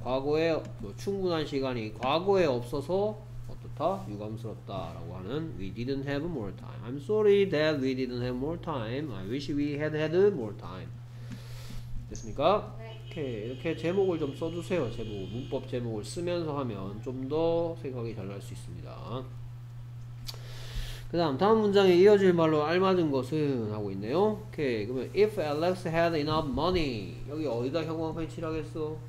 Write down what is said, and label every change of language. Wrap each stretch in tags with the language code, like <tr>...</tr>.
<ko>과거에 충분한 시간이 과거에 없어서 어떻다? 유감스럽다라고 하는</ko> <en>We didn't have more time. I'm sorry that we didn't have more time. I wish we had had more time.</en> <ko>됐습니까? 네. 오케이. 이렇게 제목을 좀 써주세요. 제목 문법 제목을 쓰면서 하면 좀 더 생각이 잘 날 수 있습니다. 그 다음 문장에 이어질 말로 알맞은 것은 하고 있네요. 오케이. 그러면</ko> <en>If Alex had enough money,</en> <ko>여기 어디다 형광 펜치를 하겠어?</ko>